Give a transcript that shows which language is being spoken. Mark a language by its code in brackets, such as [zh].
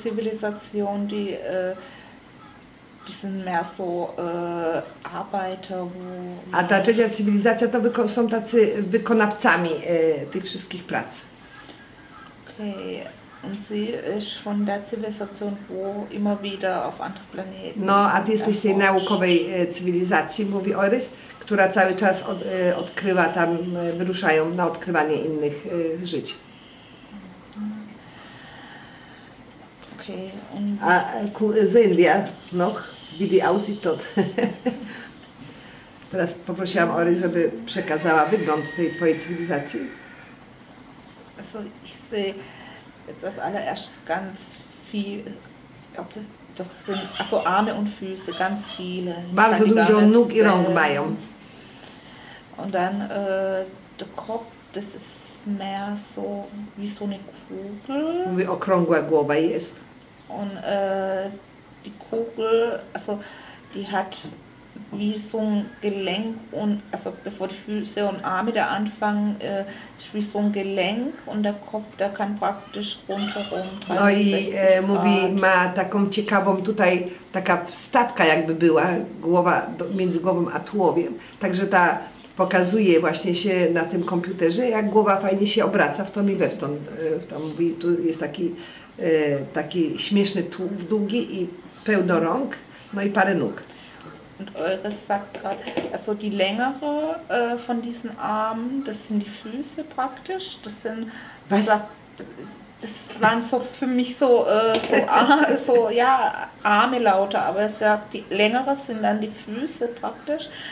[de] Cywilisation, die sind mehr so Arbeiter, wo... [pl] A ta trzecia cywilizacja to są tacy wykonawcami tych wszystkich prac. Okay. [de] Und sie ist von der Zivilisation, wo immer wieder auf andere Planeten... [pl] No, a ty jesteś z tej naukowej cywilizacji, mówi Orys, która cały czas odkrywa tam, wyruszają na odkrywanie innych żyć. Okay, [de] und sehen wir noch, wie die aussieht dort. [pl] Teraz poprosiłam Ory, żeby przekazała wygląd tej twojej cywilizacji. [de] Also ich sehe jetzt als allererstes ganz viel, ob das doch sind, also Arme und Füße, ganz viele. [pl] Bardzo dużo nóg i rąk mają. [de] Und dann der Kopf, das ist mehr so wie so eine Kugel. [pl] Mówię, okrągła głowa jest. [de] Und die Kugel, also die hat wie so ein Gelenk und also bevor die Füße und Arme da anfangen, ist wie so ein Gelenk und der Kopf, der kann praktisch rundherum 360 Grad. [pl] No i mówi, ma taką ciekawą tutaj, taka wstawka jakby była, głowa, między głową a tułowiem. Także ta pokazuje właśnie się na tym komputerze, jak głowa fajnie się obraca w tą i we w tą. To mówi, tu jest taki... taki śmieszny tułów długi i pełno rąk, no i parę nóg. [de] Und Eures sagt gerade, also die längere von diesen Armen, das sind die Füße praktisch, das sind, was? Das das waren so für mich so, so Arme lauter, aber es ja, die längeren sind dann die Füße praktisch.